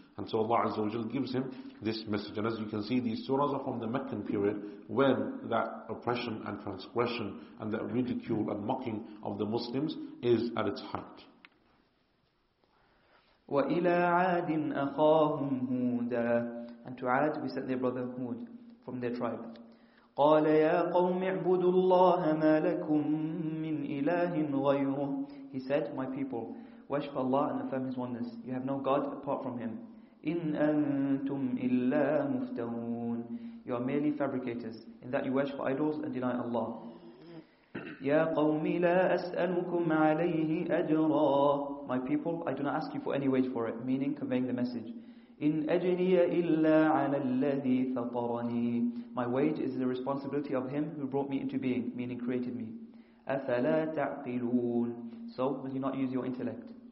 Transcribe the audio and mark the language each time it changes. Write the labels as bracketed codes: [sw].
[en] And so Allah Azza wa Jal gives him this message. And as you can see, these surahs are from the Meccan period, when that oppression and transgression and that ridicule and mocking of the Muslims is at its height. [ar] وَإِلَىٰ عَادٍ أَخَاهُمْ هُودًا [en] And to Ad, we sent their brother Hud from their tribe. [ar] قال يا قوم اعبدوا الله ما لكم من إله غيره [en] He said, "My people, worship Allah and affirm His oneness. You have no God apart from Him." [ar] إن أنتم إلا مفترون [en] You are merely fabricators, in that you worship idols and deny Allah. [ar] يا قوم لا أسألكم عليه أجرا [en] My people, I do not ask you for any wage for it, meaning conveying the message. [ar] إِنْ أَجْرِيَ إِلَّا عَلَى الَّذِي فَطَرَنِي [en] My wage is the responsibility of him who brought me into being, meaning created me. [ar] أَفَلَا تَعْقِلُونَ [en] So, will you not use your intellect?